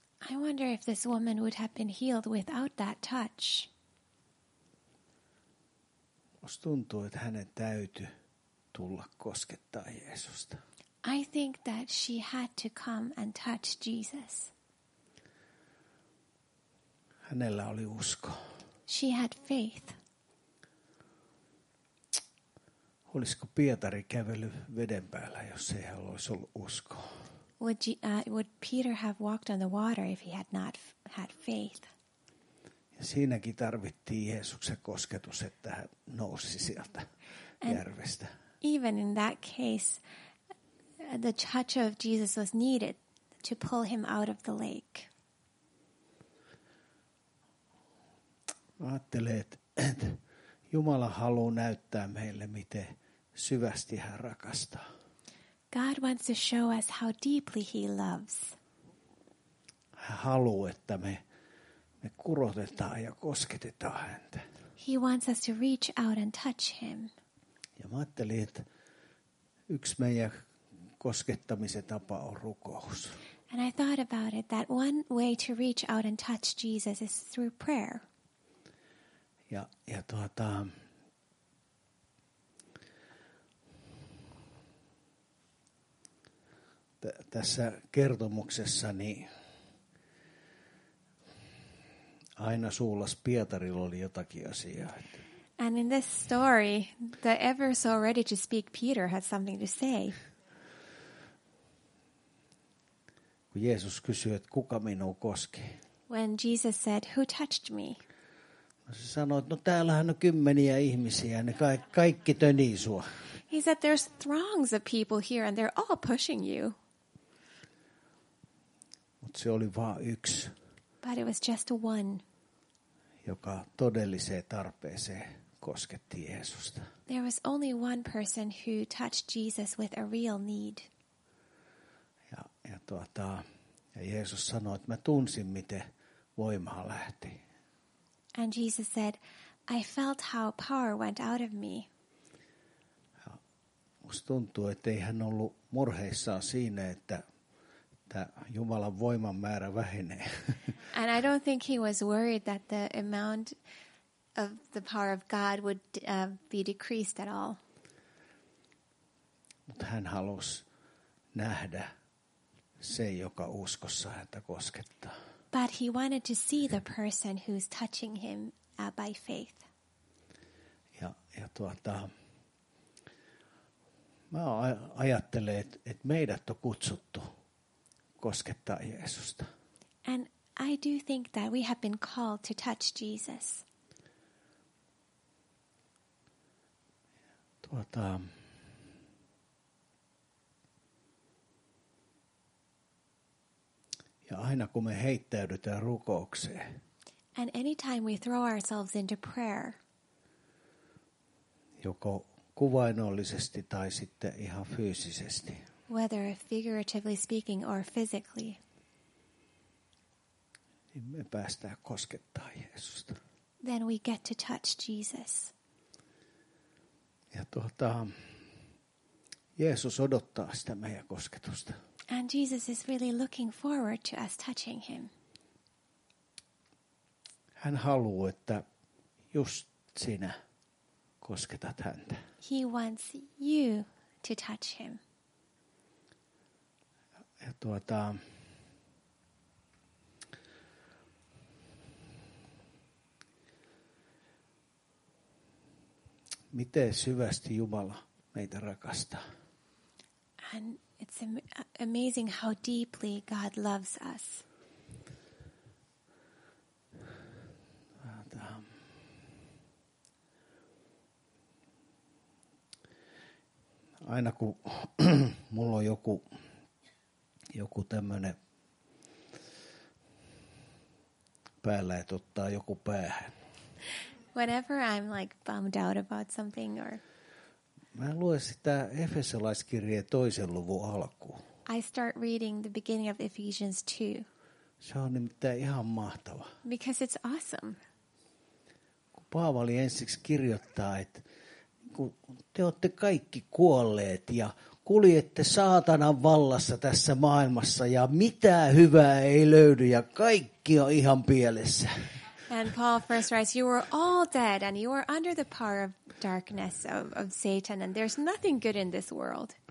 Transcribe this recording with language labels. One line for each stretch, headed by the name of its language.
English: I wonder if this woman would have been healed without that touch.
Finnish: Musta tuntuu, että hänen täytyy tulla koskettaa Jeesusta.
English: I think that she had to come and touch Jesus.
Finnish: Hänellä oli usko.
English: She had faith.
Finnish: Olisiko Pietari kävellyt veden päällä, jos ei hän olisi ollut usko?
English: Would Peter have walked on the water if he had not had faith?
Finnish: Ja siinäkin tarvittiin Jeesuksen kosketus, että hän nousi sieltä järvestä.
English: Even in that case, the touch of Jesus was needed to pull him out of the lake.
Finnish: Ajattelen, että Jumala haluaa näyttää meille, miten syvästi hän rakastaa.
English: God wants to show us how deeply he loves.
Finnish: Hän haluaa, että me kurotetaan ja kosketetaan häntä.
English: He wants us to reach out and touch him.
Finnish: Ja mä ajattelin, että yksi meidän koskettamisen tapa on rukous.
English: And I thought about it, that one way to reach out and touch Jesus is through prayer.
Finnish: Ja tuota, tässä kertomuksessa niin aina suullas Pietarilla oli jotakin asiaa.
English: And in this story, the ever so ready to speak Peter had something to say.
Finnish: Kun Jeesus kysyi, että kuka minua koski?
English: When Jesus said, who touched me?
Finnish: Se sanoi, että no täällähän on kymmeniä ihmisiä, ne kaikki tönii sua.
English: He said, there's throngs of people here and they're all pushing you.
Finnish: Mut se oli vaan yksi.
English: But it was just one.
Finnish: Joka todelliseen tarpeeseen kosketti Jeesusta.
English: There was only one person who touched Jesus with a real need.
Finnish: Ja Jeesus sanoi, että mä tunsin, miten voimaa lähti.
English: And Jesus said, I felt how power went out of me.
Finnish: Musta tuntuu, että ei hän ollut murheissaan siinä, että Jumalan voiman määrä vähenee.
English: And I don't think he was worried that the amount of the power of God would be decreased at all.
Finnish: Mutta hän halusi nähdä se, joka uskossa häntä koskettaa.
English: But he wanted to see the person who's touching him by faith.
Finnish: Ja mä ajattelen, että meidät on kutsuttu koskettaa Jeesusta.
English: And I do think that we have been called to touch Jesus.
Finnish: Ja aina kun me heittäydytään rukoukseen.
English: And anytime we throw ourselves into prayer.
Finnish: Joko kuvainnollisesti tai sitten ihan fyysisesti.
English: Whether figuratively speaking or physically.
Finnish: Niin me päästään koskettaa Jeesusta.
English: Then we get to touch Jesus.
Finnish: Ja Jeesus odottaa sitä meidän kosketusta.
English: And Jesus is really looking forward to us touching him.
Finnish: Hän haluaa, että just sinä kosketat häntä.
English: He wants you to touch him.
Finnish: Ja miten syvästi Jumala meitä rakastaa.
English: And it's amazing how deeply God loves us.
Finnish: Aina kun mulla on joku tämmönen päällä, että ottaa joku päähän.
English: Whenever I'm like bummed out about something or...
Finnish: Mä luen sitä Efesolaiskirjeen toisen luvun alkuun.
English: I start reading the beginning of Ephesians 2.
Finnish: Se on nimittäin ihan mahtava.
English: Because it's awesome.
Finnish: Kun Paavali ensiksi kirjoittaa, että te olette kaikki kuolleet ja kuljette saatanan vallassa tässä maailmassa ja mitään hyvää ei löydy ja kaikki on ihan pielessä.
English: And Paul first writes, you are all dead and you are under the power of darkness of Satan and there's nothing good in this world.